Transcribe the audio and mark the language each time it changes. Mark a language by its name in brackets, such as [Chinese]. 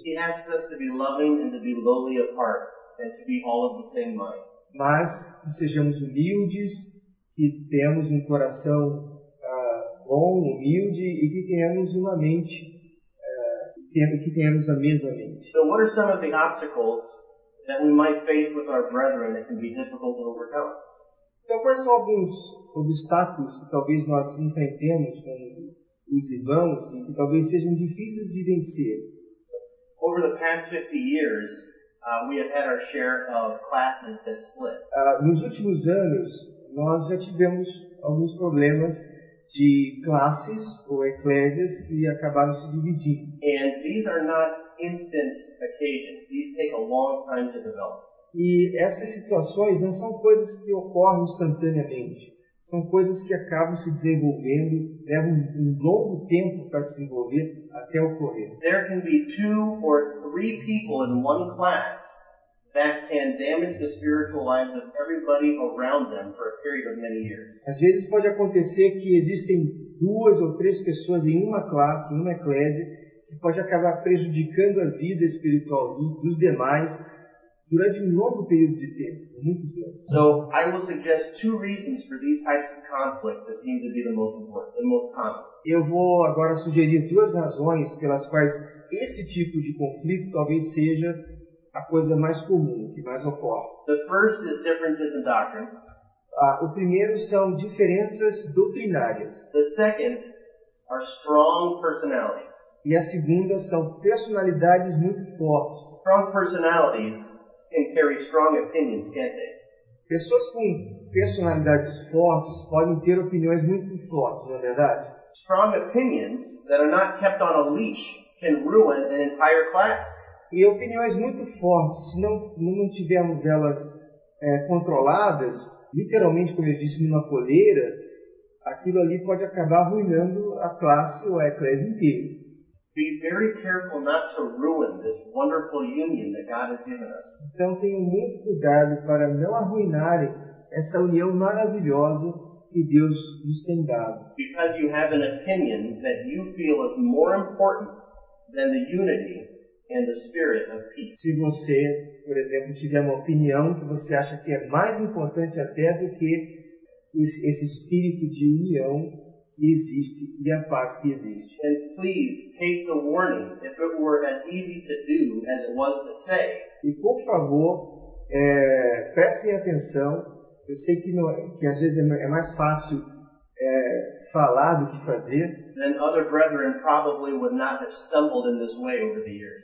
[English] He asks us to be loving and to be lowly of heart and to be all of the same mind. [Portuguese] Mas que sejamos humildes e temos um coração bom, humilde e que tenhamos uma mente, que tenhamos a mesma mente. [English] So what are some of the obstacles that we might face with our brethren that can be difficult to overcome? [Portuguese] Então, quais são alguns obstáculos que talvez nós enfrentemos com os irmãos e que talvez sejam difíceis de vencer? [English] Over the past 50 years, we have had our share of classes that split. [Portuguese] Nos últimos anos, nós já tivemos alguns problemas de classes ou eclésias que acabaram se dividindo. [English] And these are not instant occasions. These take a long time to develop. [Portuguese] E essas situações não são coisas que ocorrem instantaneamente. São coisas que acabam se desenvolvendo, levam um longo tempo para desenvolver até ocorrer. [English] There can be two or three people in one class that can damage the spiritual lives of everybody around them for a period of many years. [Portuguese] Às vezes pode acontecer que existem duas ou três pessoas em uma classe, em uma eclésia, que pode acabar prejudicando a vida espiritual dos demais durante um longo período de tempo, muitos anos. [English] So, I will suggest two reasons for these types of conflict that seem to be the most important, the most common. [Portuguese] Eu vou agora sugerir duas razões pelas quais esse tipo de conflito talvez seja a coisa mais comum, que mais ocorre. [English] The first is differences in doctrine. [Portuguese] O primeiro são diferenças doutrinárias. [English] The second are strong personalities. [Portuguese] E a segunda são personalidades muito fortes. [English] Strong personalities can carry strong opinions, can't they? [Portuguese] Pessoas com personalidades fortes podem ter opiniões muito fortes, não é verdade? [English] Strong opinions that are not kept on a leash can ruin an entire class. [Portuguese] E opiniões muito fortes, se não tivermos elas controladas, literalmente, como eu disse, numa coleira, aquilo ali pode acabar arruinando a classe ou a eclésia inteira. [English] Be very careful not to ruin this wonderful union that God has given us. [Portuguese] Então tenha muito cuidado para não arruinarem essa união maravilhosa que Deus nos tem dado. [English] Because you have an opinion that you feel is more important than the unity and the spirit of peace. [Portuguese] Se você, por exemplo, tiver uma opinião que você acha que é mais importante até do que esse espírito de união que existe e a paz que existe. [English] And please take the warning if it were as easy to do as it was to say. [Portuguese] E por favor, prestem atenção. Eu sei que, que às vezes é mais fácil falar do que fazer. [English] Then other brethren probably would not have stumbled in this way over the years.